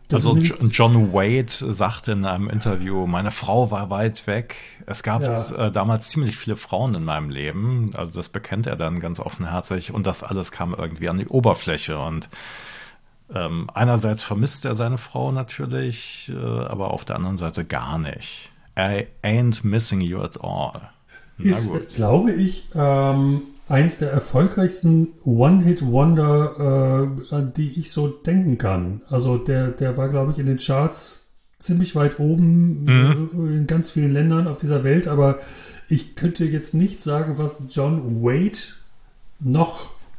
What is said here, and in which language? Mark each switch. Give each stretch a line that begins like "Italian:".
German: Also John Wade sagte in einem Interview, meine Frau war weit weg. Es gab damals ziemlich viele Frauen in meinem Leben. Also das bekennt er dann ganz offenherzig. Und das alles kam irgendwie an die Oberfläche. Und einerseits vermisst er seine Frau natürlich, aber auf der anderen Seite gar nicht.
English: I ain't missing you at all.
German: Ist, glaube ich, eins der erfolgreichsten One-Hit-Wonder, an die ich so denken kann. Also der war, glaube ich, in den Charts ziemlich weit oben, in ganz vielen Ländern auf dieser Welt. Aber ich könnte jetzt nicht sagen, was John Wade noch